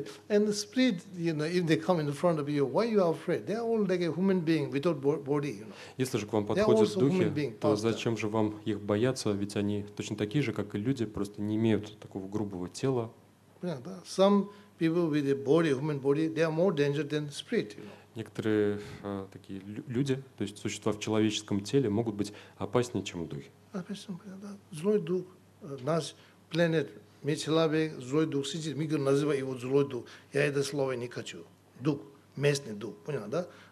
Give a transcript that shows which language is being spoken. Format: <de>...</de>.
<en>And the spirit, you know, if they come in front of you, why you are afraid? They are all like a human being without body, you know.</en> <ru>Если же к вам подходят духи, то зачем же вам их бояться? Ведь они точно такие же, как и люди, просто не имеют такого грубого тела.</ru> <en>Some people with a body, human body, they are more dangerous than spirit. You know.</en> <ru>Некоторые такие люди, то есть существа в человеческом теле, могут быть опаснее, чем духи. Злой дух, наш планет, человек, злой дух сидит, мы называем его злой дух. Я это слово не хочу. Дух, местный дух, понятно, да?</ru>